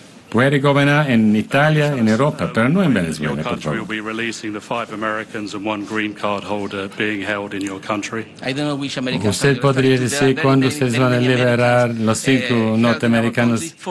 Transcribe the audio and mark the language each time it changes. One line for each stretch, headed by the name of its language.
Spanish: Puede gobernar en Italia, en Europa, pero no en Venezuela, por favor.
English: Will be releasing the five Americans and one green card holder being held in your country.
Spanish: ¿Usted podría decir cuándo ustedes van a liberar los cinco norteamericanos?